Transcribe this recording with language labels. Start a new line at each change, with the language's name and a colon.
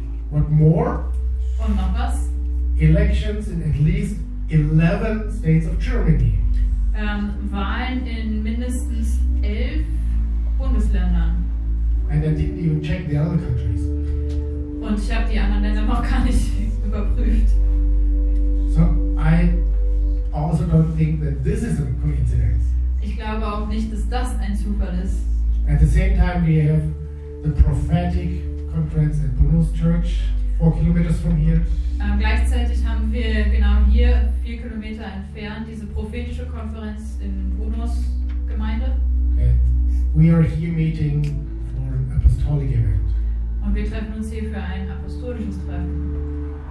English: What more?
German: Und noch was?
English: Elections in at least 11 states of Germany.
German: Wahlen in mindestens 11 Bundesländern.
English: And then didn't even check the other countries.
German: Und ich habe die anderen Länder noch gar nicht überprüft.
English: So, I also don't think that this is a coincidence.
German: Ich glaube auch nicht, dass das ein Zufall ist.
English: At the same time, we have the prophetic conference at Bruno's Church, 4 kilometers from here.
German: Gleichzeitig haben wir genau hier, 4 Kilometer entfernt, diese prophetische Konferenz in Bruno's Gemeinde.
English: And we are here meeting. Apostolic event.
German: Und wir treffen uns hier für ein apostolisches Treffen.